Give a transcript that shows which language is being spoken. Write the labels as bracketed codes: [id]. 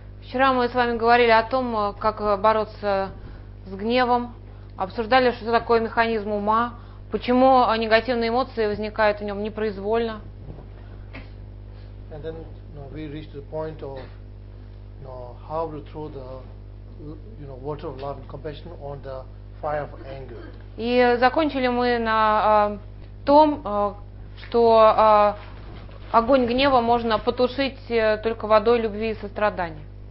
[ru] Вчера мы с вами говорили о том, как бороться с гневом, обсуждали, что такое механизм ума, почему негативные эмоции возникают в нем непроизвольно. [en] And then, we reached the point of, how to throw the, water of love and compassion on the fire of anger. [ru] И закончили мы на том, что огонь гнева можно потушить только водой любви и сострадания.